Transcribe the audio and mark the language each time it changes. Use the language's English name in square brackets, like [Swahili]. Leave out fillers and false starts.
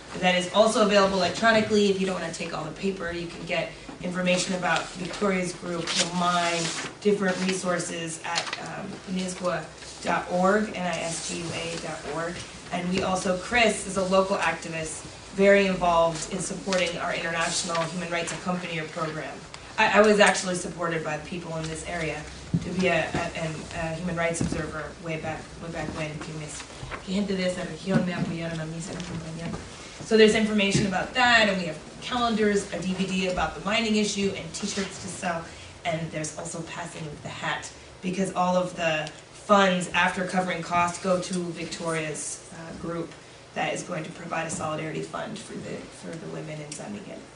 [English] That is also available electronically. If you don't want to take all the paper, you can get information about Victoria's group, the mine, different resources at NISGUA.org, N-I-S-G-U-A.org. And we also, Chris is a local activist, very involved in supporting our international human rights accompanier program. I was actually supported by people in this area to be a human rights observer way back when. [Spanish] Gente de esa región me apoyaron a mí, se me acompañaron. [English] So there's information about that, and we have calendars, a DVD about the mining issue, and t-shirts to sell, and there's also passing of the hat, because all of the funds after covering costs go to Victoria's group that is going to provide a solidarity fund for the women in San Miguel.